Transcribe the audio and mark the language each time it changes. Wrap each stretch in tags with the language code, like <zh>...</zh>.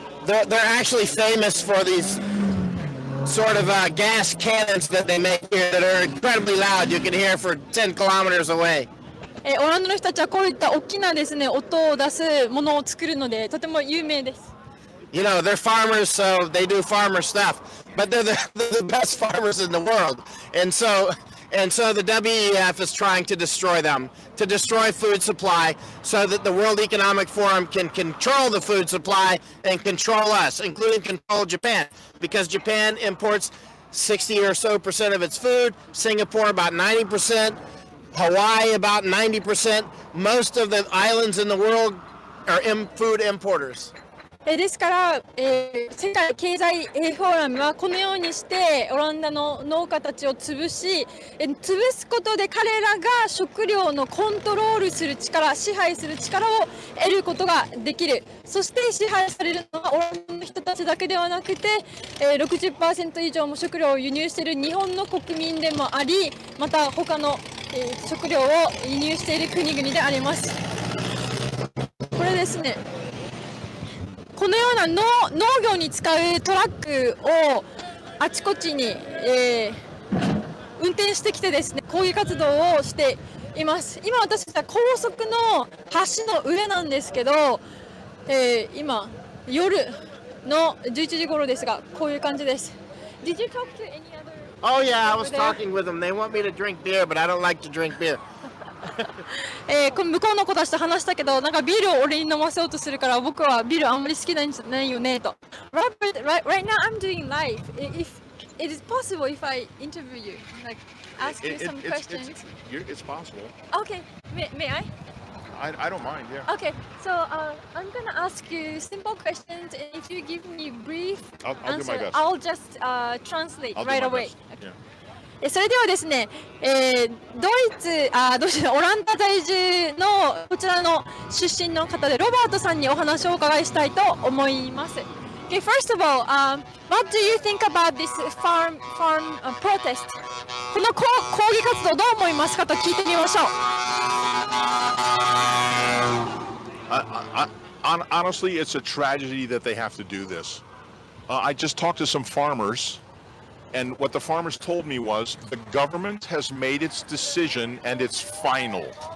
<en>They're actually famous for these sort of gas cannons that they make here that are incredibly loud. You can hear for 10 kilometers away.</en> <ja>オランダの人たちはこういった大きなですね音を出すものを作るのでとても有名です。</ja> <en>You know, they're farmers, so they do farmer stuff. But they're the best farmers in the world. And so the WEF is trying to destroy them, to destroy food supply, so that the World Economic Forum can control the food supply and control us, including control Japan. Because Japan imports 60 or so percent of its food, Singapore about 90%, Hawaii about 90%. Most of the islands in the world are food importers.</en> <ja>ですから、世界経済フォーラムはこのようにしてオランダの農家たちを潰し、潰すことで彼らが食料のコントロールする力、支配する力を得ることができる。そして支配されるのはオランダの人たちだけではなくて、60% 以上も食料を輸入している日本の国民でもあり、また他の、食料を輸入している国々であります。これですね。このような 農業に使うトラックをあちこちに、運転してきてですね、抗議活動をしています。今私たちは高速の橋の上なんですけど、今夜の11時頃ですが、こういう感じです。</ja> <en>Did you talk to any other? Oh yeah, I was talking with them. They want me to drink beer, but I don't like to drink beer.</en> <ja>向こうの子たちと話したけど、なんかビールを俺に飲ませようとするから、僕はビールあんまり好きなんじゃないよねと。</ja> <en>Robert, right now I'm doing live. If it is possible, if I interview you, like ask you some questions. It's possible. Okay, may I? I don't mind. Yeah. Okay, so I'm gonna ask you simple questions, and if you give me brief answer, I'll do my best. I'll just translate right away. Yeah.</en> <ja>それではですね、ドイツ、あ、どうしよう、オランダ在住のこちらの出身の方でロバートさんにお話をお伺いしたいと思います。</ja> <en>Okay, first of all, what do you think about this farm protest?</en> <ja>この抗議活動どう思いますかと聞いてみましょう。</ja> <en>Honestly, it's a tragedy that they have to do this. I just talked to some farmers, and what the farmers told me was the government has made its decision and it's final.</en>